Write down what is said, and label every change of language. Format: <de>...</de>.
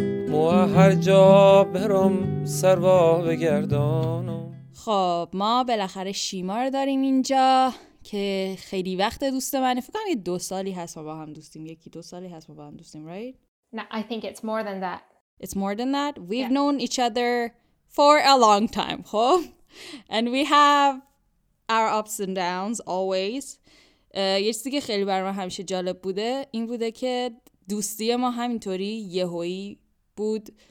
<fa>مو هر جا برم سر وا بگردانم. خب ما بالاخره شیما رو داریم اینجا که خیلی وقت دوست منه، فکر کنم 2 سالی هست ما با هم دوستیم، 1-2 سالی هست ما با هم دوستیم، right؟</fa> <en>No, I think it's more than that. It's more than that. We've yeah. known each other for a long time, خب. And we have our ups and downs always.</en> <fa>یه چیزی که خیلی برام همیشه جالب بوده این بوده که دوستی ما همینطوری یهویی بود.</fa>